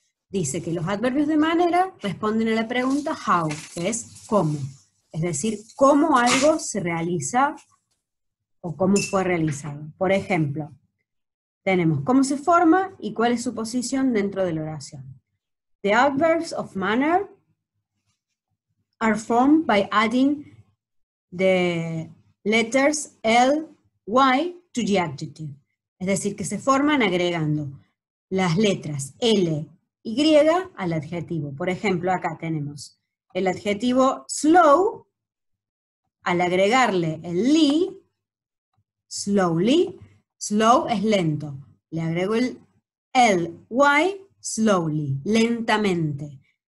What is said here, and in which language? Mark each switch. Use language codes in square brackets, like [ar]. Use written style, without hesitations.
[es] Dice que los adverbios de manera responden a la pregunta how, que es cómo. Es decir, cómo algo se realiza o cómo fue realizado. Por ejemplo, tenemos cómo se forma y cuál es su posición dentro de la oración. [en] The adverbs of manner are formed by adding the letters L, Y to the adjective. [es] Es decir, que se forman agregando las letras L y al adjetivo. Por ejemplo, acá tenemos el adjetivo slow, al agregarle el li, slowly. Slow es lento. Le agrego el L-Y, slowly, lentamente.